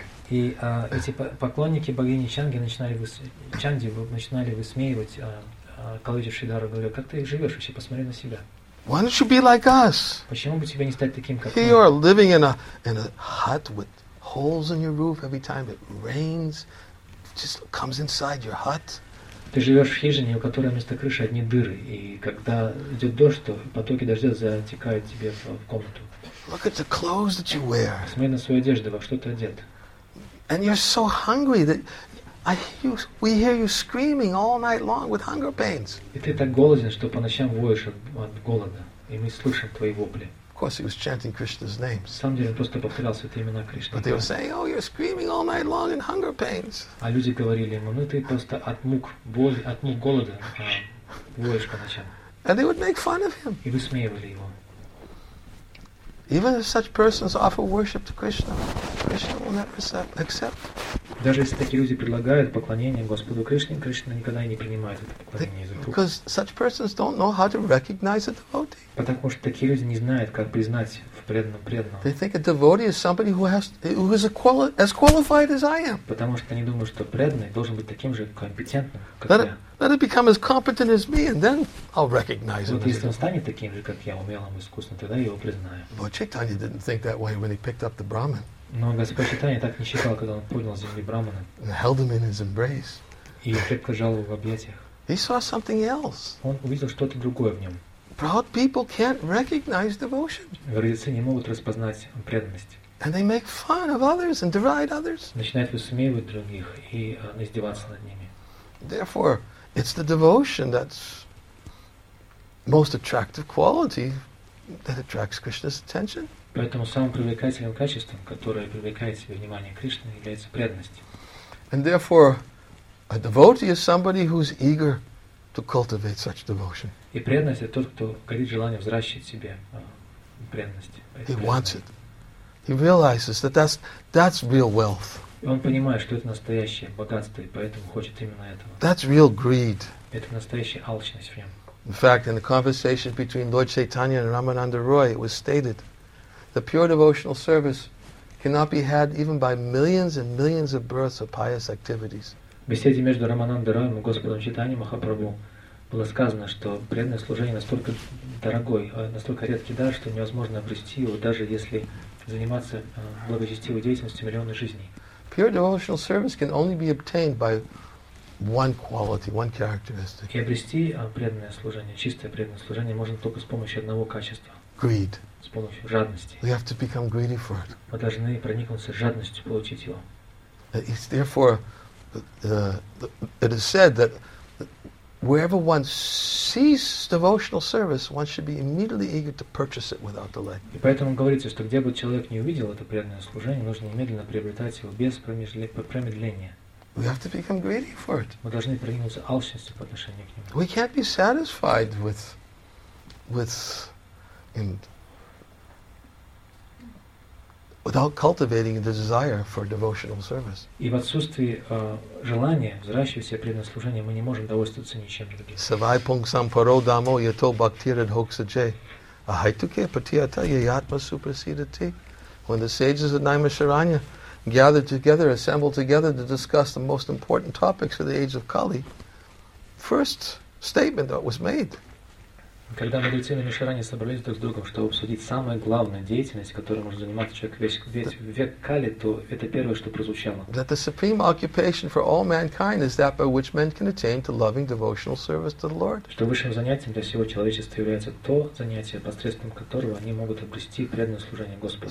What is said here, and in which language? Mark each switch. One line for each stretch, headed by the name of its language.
Russian: И эти поклонники богини Чанги начинали высмеивать Калуджи Шридхару, говоря: "Как ты живешь вообще? Посмотри на себя.
English: Why don't you be like us?
Russian: Почему бы тебе не стать таким, как мы?
English: You are living in a hut with holes in your roof every time it rains, it just comes inside your hut.
Russian: Ты живешь в хижине, у которой вместо крыши одни дыры, и когда идет дождь, то потоки дождя затекают тебе в комнату.
English: Look at the clothes that you wear.
Russian: Смотри на свою одежду, во что ты одет.
English: And you're so hungry that we hear you screaming all night long with hunger pains.
Russian: И ты так голоден, что по ночам воешь от голода, и мы слышим твои вопли.
English: Of course, he was chanting Krishna's names.
Russian: Сам день просто повторял святые имена Кришны.
English: But they were saying, "Oh, you're screaming all night long in hunger pains."
Russian: А люди говорили ему: "Ну ты просто от мук, боли, от мук голода воешь по ночам."
English: And they would make fun of him.
Russian: И высмеивали его.
English: Even if such persons offer worship to Krishna, Krishna will not accept.
Russian: Даже если такие люди предлагают поклонение Господу Кришне, Кришна никогда не принимает это поклонение из рук.
English: Because such persons don't know how to recognize a devotee.
Russian: Потому что такие люди не знают, как признать в преданном преданного.
English: They think a devotee is somebody who is as qualified as I am.
Russian: Потому что они думают, что преданный должен быть таким же компетентным, как я.
English: Let it become as competent as me, and then I'll recognize him.
Russian: Вот если он станет таким же, как я, умелым и искусным, тогда я его признаю.
English: But Chaitanya didn't think that way when he picked up the Brahman.
Russian: Но Господь Читания так не считал, когда он поднял с земли Брамана.
English: And held him in his embrace.
Russian: И крепко жал его в объятиях.
English: He saw something else.
Russian: Он увидел что-то другое в нем.
English: Proud people can't recognize devotion.
Russian: Гордецы не могут распознать преданность.
English: And they make fun of others and deride others.
Russian: Начинают высмеивать других и издеваться над ними.
English: Therefore, it's the devotion that's most attractive quality that attracts Krishna's attention.
Russian: Поэтому самым привлекательным качеством, которое привлекает себе внимание Кришны, является преданность.
English: And therefore, a devotee is somebody who's eager to cultivate such devotion.
Russian: И преданность — это тот, кто горит желанием взращивать себе преданность.
English: He wants it. He realizes that that's real wealth.
Russian: И он понимает, что это настоящее богатство, и поэтому хочет именно этого.
English: That's real greed.
Russian: Это настоящая алчность в нем.
English: In fact, in the conversation between Lord Chaitanya and Ramananda Roy, it was stated, the pure devotional service cannot be had even by millions and millions of births of pious activities.
Russian: В беседе между Рамананда Роем и Господом Читанием Махапрабху было сказано, что преданное служение настолько дорогой, настолько редкий дар, что невозможно обрести его, даже если заниматься благочестивой деятельностью миллионы жизней.
English: Pure devotional service can only be obtained by one quality, one characteristic.
Russian: И обрести преданное служение, чистое преданное служение можно только с помощью одного качества.
English: Greed.
Russian: С помощью жадности.
English: We have to become greedy for it.
Russian: Мы должны проникнуться жадностью получить его.
English: It's therefore, it is said that wherever one sees devotional service, one should be immediately eager to purchase it without delay.
Russian: И поэтому говорится, что где бы человек не увидел это преданное служение, нужно немедленно приобретать его без промедления.
English: We have to become greedy for it.
Russian: Мы должны проникнуться алчностью по отношению к нему.
English: We can't be satisfied without cultivating the desire for devotional service.
Russian: И в отсутствии желания взращивать себе преданное служение, мы не можем довольствоваться ничем другим.
Sanskrit: Савай пунг сампаро дамо ято бхактирад хокса джей. Ахайтуке патията яятма супрасидати.
English: When the sages of Наймашаранья assembled together to discuss the most important topics of the age of Kali, first statement that was made.
Russian: Когда мудрецы на Мишаране собрались друг с другом, чтобы обсудить самую главную деятельность, которой может заниматься человек весь век Кали, то это первое, что прозвучало.
English: That the supreme occupation for all mankind is that by which men can attain to loving devotional service to the Lord.
Russian: Что высшим занятием для всего человечества является то занятие, посредством которого они могут обрести преданное служение Господу.